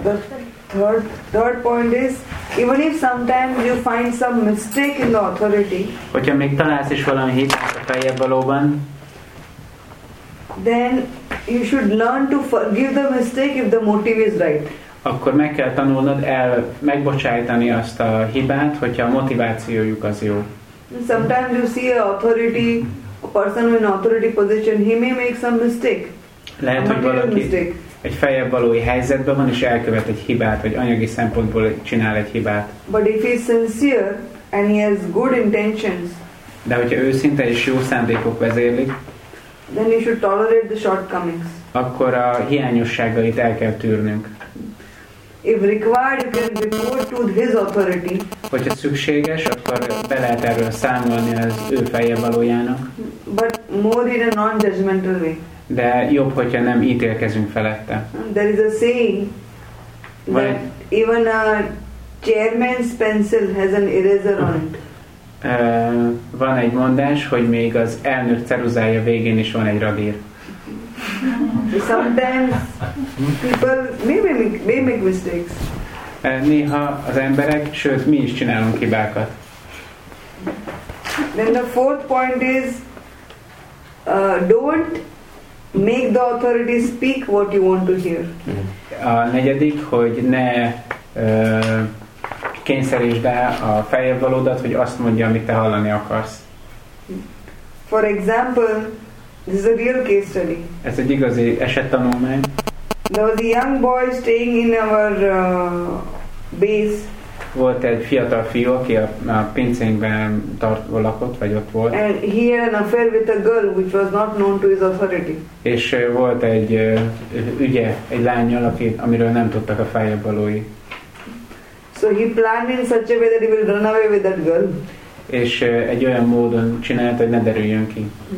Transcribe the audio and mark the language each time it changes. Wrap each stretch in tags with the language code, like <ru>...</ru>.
<en>The third point is, even if sometimes you find some mistake in the authority,</en> <hu>hogyha még találsz is valami hibát a feljebb valóban,</hu> <en>then you should learn to forgive the mistake if the motive is right.</en> <hu>Akkor meg kell tanulnod el megbocsájtani azt a hibát, hogyha a motivációjuk az jó.</hu> <en>Sometimes you see an authority, a person in authority position, he may make some mistake.</en> <hu>Lehet, hogy valaki egy feljebb valói helyzetben van, és elkövet egy hibát, vagy anyagi szempontból csinál egy hibát.</hu> <en>But if he is sincere and he has good intentions,</en> <hu>de hogyha őszinte és jó szándékok vezérlik,</hu> <en>then you should tolerate the shortcomings.</en> <hu>Akkor a hiányosságait el kell tűrnünk.</hu> <en>If required, you can report to his authority.</en> <hu>Hogyha szükséges, akkor be lehet erről számolni az ő feljebb valójának.</hu> <en>But more in a non-judgmental way.</en> <hu>De jobb, hogyha nem ítélkezünk felette.</hu> <en>There is a saying that even a chairman's pencil has an eraser on it.</en> <hu>Van egy mondás, hogy még az elnök ceruzája végén is van egy radír.</hu> <en>Sometimes people may make mistakes.</en> <hu>Néha az emberek, sőt mi is csinálunk hibákat.</hu> <en>Then the fourth point is, don't make the authority speak what you want to hear.</en> <hu>A negyedik, hogy ne kényszerítsd el a feljebb valódat, hogy azt mondja, amit te hallani akarsz.</hu> <en>For example, this is a real case study.</en> <hu>Ez egy igazi esettanulmány.</hu> <en>There was a young boy staying in our base.</en> <hu>Volt egy fiatal fiú, aki a pincénkben tartva lakott, vagy ott volt.</hu> <en>And he had an affair with a girl, which was not known to his authority.</en> <hu>És volt egy ügye, egy lányjal, amiről nem tudtak a feljebb valói.</hu> <en>So he planned in such a way that he will run away with that girl.</en> <hu>És egy olyan módon csinált, hogy ne derüljön ki.</hu>